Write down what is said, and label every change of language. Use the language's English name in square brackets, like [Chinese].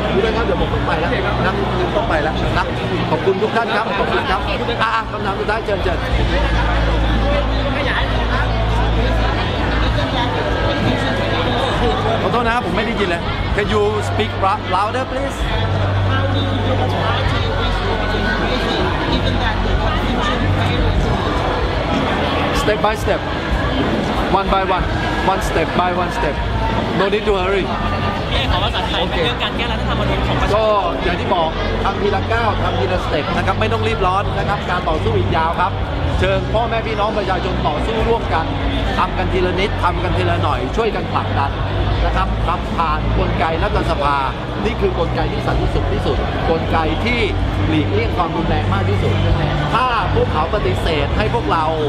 [Thai] ด้วยครับเดี๋ยวผมต้องไปแล้วนะครับต้องไปแล้วนะขอบคุณทุกท่านครับขอบคุณครับคำถามสุดท้ายเชิญเชิญขอโทษนะผมไม่ได้ยินเลย [English] Can you speak louder please? How do you try to reach more to increase even that the contingent payments? Step by step One by one One step by one step No need to hurry [Thai] แก้ของภาษาไทยเรื่องการแก้รัฐธรรมนูญของประ ชาชนก็อย่างที่บอกทำทีละก้าวทำทีละสเต็ปนะครับไม่ต้องรีบร้อนนะครับการต่อสู้อีกยาวครับเชิญพ่อแม่พี่น้องประชาชนต่อสู้ร่วมกันทำกันทีละนิดทำกันทีละหน่อยช่วยกันผลักดันนะครับรับผ่านกลไกรัฐสภานี่คือกลไกที่สันติสุขที่สุดกลไกที่หลีกเลี่ยงความรุนแรงมากที่สุดถ้าพวกเขาปฏิเสธให้พวกเรา